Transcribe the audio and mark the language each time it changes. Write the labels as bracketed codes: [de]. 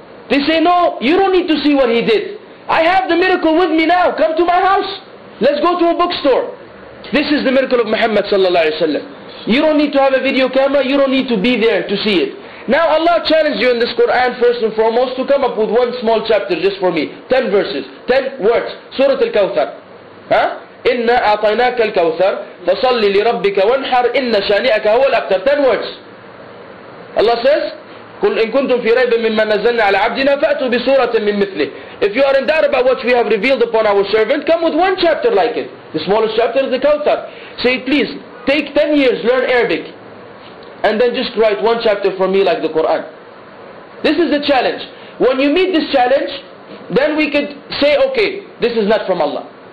[en] They say, no, you don't need to see what he did. I have the miracle with me now. Come to my house. Let's go to a bookstore. This is the miracle of Muhammad sallallahu alaihi wasallam. You don't need to have a video camera. You don't need to be there to see it. Now, Allah challenged you in this Quran, first and foremost, to come up with one small chapter just for me. 10 verses, 10 words. Surah Al-Kawthar. Huh? [ar] إنا أعطيناك الكوثر فصل لربك وانحر إن شانئك هو الأكثر. [en] 10 words. Allah says, [ar] إن كنتم في ريب مما نزلنا على عبدنا فأتوا بسورة من مثله. [en] If you are in doubt about what we have revealed upon our servant, come with one chapter like it. The smallest chapter is the Kawthar. Say, please, take 10 years, learn Arabic. And then just write one chapter for me like the Quran. This is the challenge. When you meet this challenge, then we could say, okay, this is not from Allah.